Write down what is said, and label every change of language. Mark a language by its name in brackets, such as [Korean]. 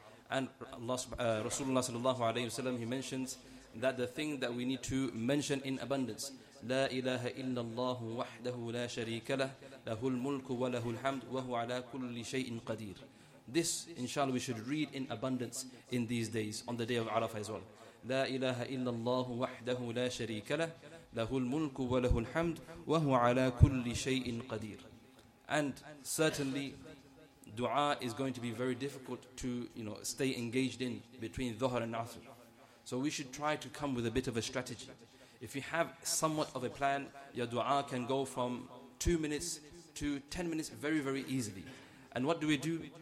[English] And Rasulullah sallallahu alayhi wa sallam, he mentions that the thing that we need to mention in abundance, [Arabic] لا إله إلا الله وحده لا شريك له له الملك وله الحمد وهو على كل شيء قدير. [English] This, inshallah, we should read in abundance in these days, on the day of Arafah as well. [Arabic] لا إله إلا الله وحده لا شريك له له الملك وله الحمد وهو على كل شيء قدير. [English] And certainly, dua is going to be very difficult to, you know, stay engaged in between Dhuhr and Asr. So we should try to come with a bit of a strategy. If you have somewhat of a plan, your dua can go from 2 minutes to 10 minutes very, very easily. And what do we do?